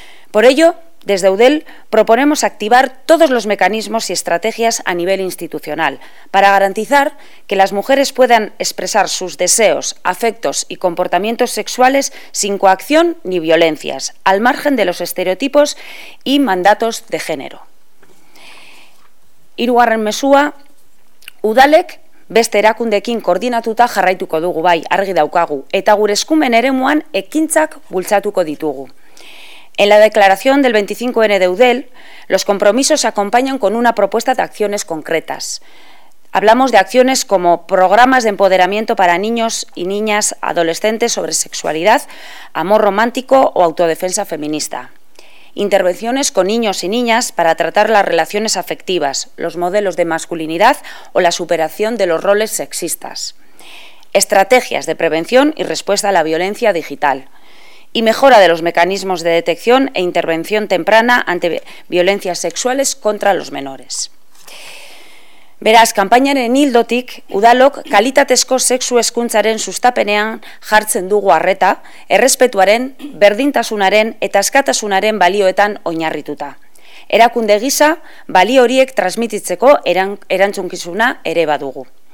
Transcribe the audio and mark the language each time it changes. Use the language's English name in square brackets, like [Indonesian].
[Spanish] Por ello, desde Eudel proponemos activar todos los mecanismos y estrategias a nivel institucional para garantizar que las mujeres puedan expresar sus deseos, afectos y comportamientos sexuales sin coacción ni violencias, al margen de los estereotipos y mandatos de género. [Basque] Hirugarren mezua, Udalek beste erakundeekin koordinatuta jarraituko dugu bai, argi daukagu, eta gure eskumen eremuan ekintzak bultzatuko ditugu. [Spanish] En la declaración del 25N de Eudel, los compromisos se acompañan con una propuesta de acciones concretas. Hablamos de acciones como programas de empoderamiento para niños y niñas adolescentes sobre sexualidad, amor romántico o autodefensa feminista. Intervenciones con niños y niñas para tratar las relaciones afectivas, los modelos de masculinidad o la superación de los roles sexistas. Estrategias de prevención y respuesta a la violencia digital. Y mejora de los mecanismos de detección e intervención temprana ante violencias sexuales contra los menores. [Basque] Beraz, kanpainaren ildotik, udalok kalitatezko sexu hezkuntzaren sustapenean jartzen dugu arreta, errespetuaren, berdintasunaren eta askatasunaren balioetan oinarrituta. Erakunde gisa, balio horiek transmititzeko erantzunkizuna ere badugu.